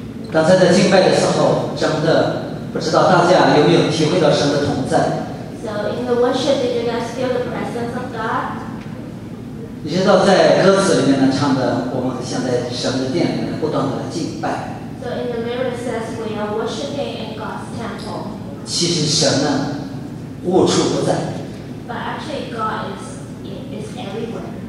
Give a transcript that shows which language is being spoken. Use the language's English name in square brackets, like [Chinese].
[Chinese] 刚才在敬拜的时候，真的不知道大家有没有体会到神的同在。 [English] So in the worship, did you guys feel the presence of God? [Chinese] 你知道在歌词里面呢唱的，我们像在神的殿里面不断的敬拜。 [English] So in the lyrics says we are worshiping in God's temple. [Chinese] 其实神呢，无处不在。 [English] But actually, God is everywhere.